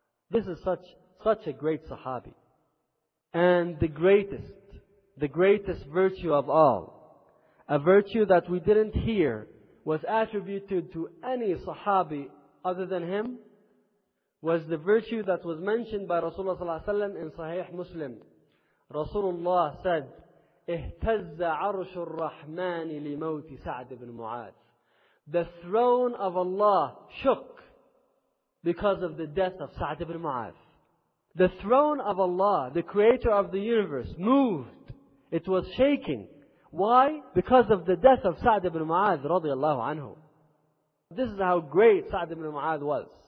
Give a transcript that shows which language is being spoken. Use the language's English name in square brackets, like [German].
[English] This is such a great Sahabi. And the greatest virtue of all, a virtue that we didn't hear was attributed to any Sahabi other than him, was the virtue that was mentioned by Rasulullah sallallahu alaihi wasallam in Sahih Muslim. Rasulullah said, [Arabic] اِهْتَزَّ عَرْشُ الرَّحْمَانِ لِمَوْتِ سَعْدِ بْنِ مُعَادِ. [English] The throne of Allah shook because of the death of Sa'd ibn Mu'adh. The throne of Allah, the creator of the universe, moved. It was shaking. Why? Because of the death of Sa'd ibn Mu'adh radiallahu anhu. This is how great Sa'd ibn Mu'adh was.